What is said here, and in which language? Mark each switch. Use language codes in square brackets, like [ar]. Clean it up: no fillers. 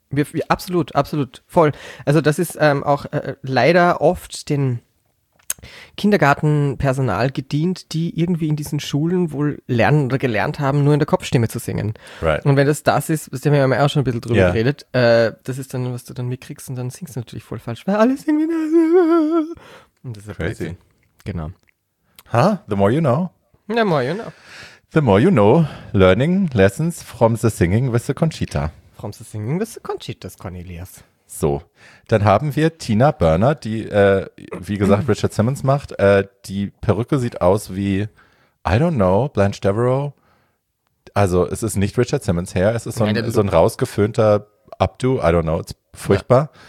[de] Wir absolut, absolut, voll. Also das ist auch leider oft den Kindergartenpersonal gedient, die irgendwie in diesen Schulen wohl lernen oder gelernt haben, nur in der Kopfstimme zu singen. [en] Right. [de] Und wenn das ist, das haben wir ja auch schon ein bisschen drüber geredet, das ist dann, was du dann mitkriegst und dann singst du natürlich voll falsch, weil alle singen wie und das ist [en] crazy. Crazy. [de] Genau. [en] Ha, huh? The more you know. The more you know. The more you know, learning lessons from the singing with the Conchita. From the singing with the Conchitas, Cornelius. [de] So, dann haben wir Tina Burner, die, wie gesagt, Richard Simmons macht. Die Perücke sieht aus wie, I don't know, Blanche Devereaux. Also, es ist nicht Richard Simmons Hair, es ist so ein rausgeföhnter Updo, I don't know, es ist furchtbar.